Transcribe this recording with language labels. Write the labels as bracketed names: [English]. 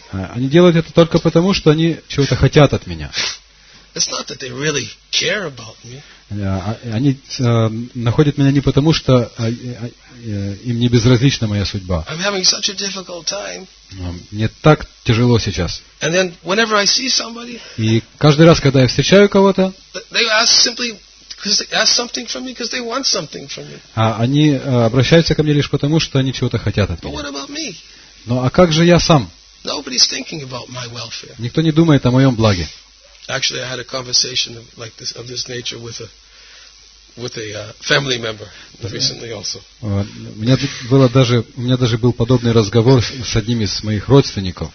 [Russian] Они делают это только потому, что они чего-то хотят от меня. [English] It's not that they really care about me. [Russian] Они находят меня не потому, что им не безразлична моя судьба. [English] I'm having such a difficult time. [Russian] Мне так тяжело сейчас. [English] And then, whenever I see somebody, [Russian] и каждый раз, когда я встречаю кого-то, [English] they ask simply because they ask something from me because they want something from me. [Russian] Они обращаются ко мне лишь потому, что они чего-то хотят от меня. [English] But what about me? [Russian] Ну, а как же я сам? [English] Nobody's thinking about my welfare. [Russian] Никто не думает о моем благе. [English] Actually, I had a conversation of this nature with a family member recently also. [Russian] У меня даже был подобный разговор с одним из моих родственников.